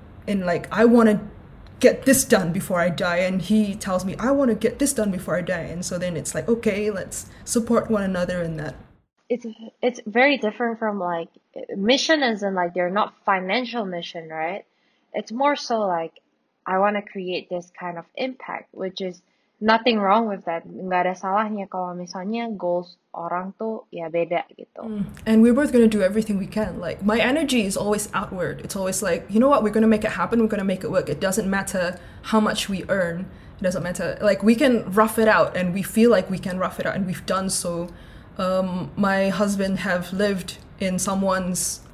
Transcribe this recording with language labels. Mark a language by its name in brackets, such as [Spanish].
[English] And like, I want to get this done before I die, and he tells me I want to get this done before I die, and so then it's like, okay, let's support one another in that. It's very different from like mission, as in like they're not financial mission, right? It's more so like, I want to create this kind of impact, which is nothing wrong with that. [Indonesian] Nggak ada salahnya kalau misalnya goals orang tuh ya beda gitu. [English] And we're both going to do everything we can. Like, my energy is always outward. It's always like, you know what? We're going to make it happen. We're going to make it work. It doesn't matter how much we earn. It doesn't matter. Like, we can rough it out, and we feel like we can rough it out, and we've done so. My husband have lived in someone's